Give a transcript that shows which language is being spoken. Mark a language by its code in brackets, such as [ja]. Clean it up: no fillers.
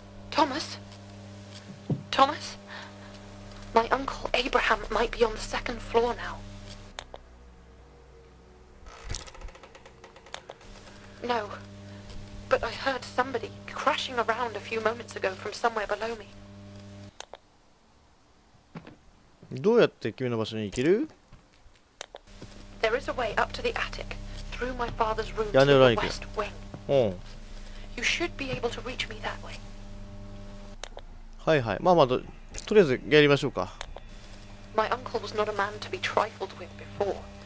[en] トーマス My uncle Abraham might be on the second floor nowNo, but I heard somebody crashing around a few moments ago from somewhere below me. [ja] どうやって君の場所に行ける？ [en] There is a way up to the attic, through my father's room the west wing. [ja] うん。 [en] You should be able to reach me that way. [ja] はいはい。まあまあ、とりあえずやりましょうか。 [en] My uncle was not a man to be trifled with before.